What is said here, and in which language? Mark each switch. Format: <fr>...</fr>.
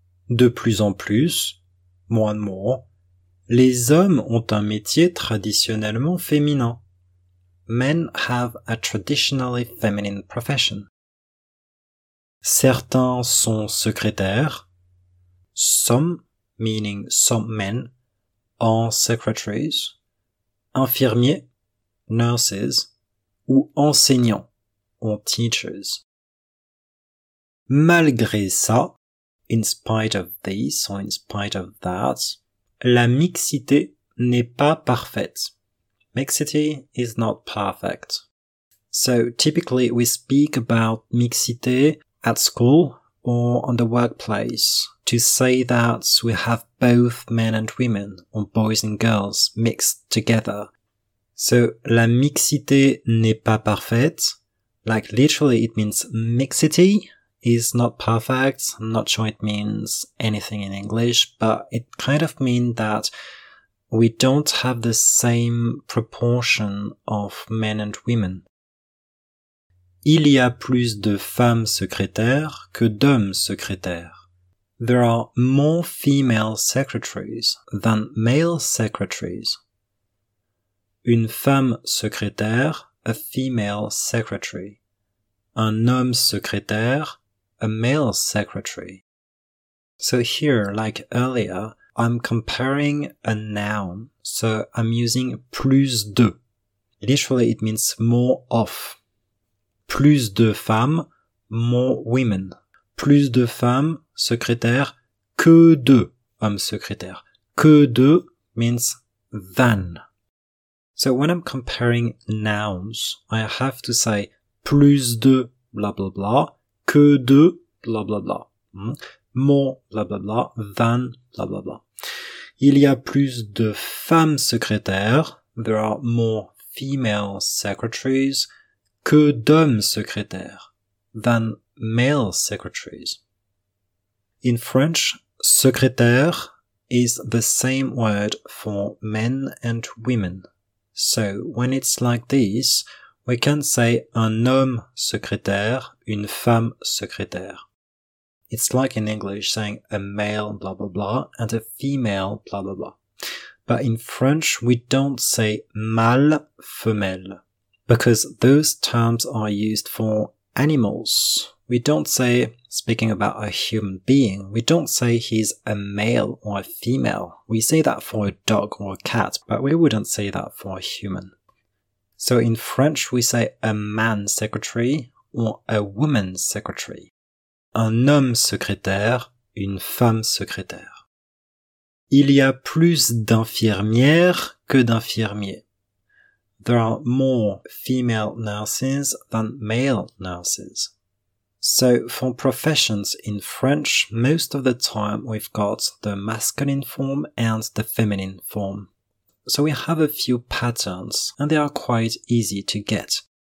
<fr>De plus en plus,</fr> <en>more and more,</en> <fr>les hommes ont un métier traditionnellement féminin.</fr> <en>Men have a traditionally feminine profession.</en> <fr>Certains sont secrétaires.</fr> <en>Some, meaning some men, are secretaries. Infirmiers, nurses,</en> <fr>ou enseignants,</fr> <en>or teachers.</en> <fr>Malgré ça,</fr> <en>in spite of this or in spite of that,</en> <fr>la mixité n'est pas parfaite.</fr> <en>Mixity is not perfect. So typically we speak about mixité at school or on the workplace to say that we have both men and women or boys and girls mixed together.</en> <fr>So la mixité n'est pas parfaite.</fr> <en>Like literally it means mixity is not perfect. I'm not sure it means anything in English, but it kind of means that we don't have the same proportion of men and women.</en> <fr>Il y a plus de femmes secrétaires que d'hommes secrétaires.</fr> <en>There are more female secretaries than male secretaries.</en> <fr>Une femme secrétaire,</fr> <en>a female secretary.</en> <fr>Un homme secrétaire,</fr> <en>a male secretary. So here, like earlier, I'm comparing a noun, so I'm using plus de. Literally, it means more of.</en> <fr>Plus de femmes,</fr> <en>more women.</en> <fr>Plus de femmes secrétaires que de hommes secrétaires.</fr> <en>Que de means than. So when I'm comparing nouns, I have to say plus de blah blah blah, que de blah blah blah, more blah blah blah, than blah blah blah.</en> <fr>Il y a plus de femmes secrétaires,</fr> <en>there are more female secretaries,</en> <fr>que d'hommes secrétaires,</fr> <en>than male secretaries. In French, secrétaire is the same word for men and women. So, when it's like this, we can say</en> <fr>un homme secrétaire, une femme secrétaire.</fr> <en>It's like in English saying a male blah blah blah and a female blah blah blah. But in French, we don't say mâle, femelle, because those terms are used for animals. We don't say, speaking about a human being, we don't say he's a male or a female. We say that for a dog or a cat, but we wouldn't say that for a human. So in French, we say a man secretary or a woman secretary.</en> <fr>Un homme secrétaire, une femme secrétaire. Il y a plus d'infirmières que d'infirmiers.</fr> <en>There are more female nurses than male nurses. So, for professions in French, most of the time we've got the masculine form and the feminine form. So we have a few patterns, and they are quite easy to get.</en>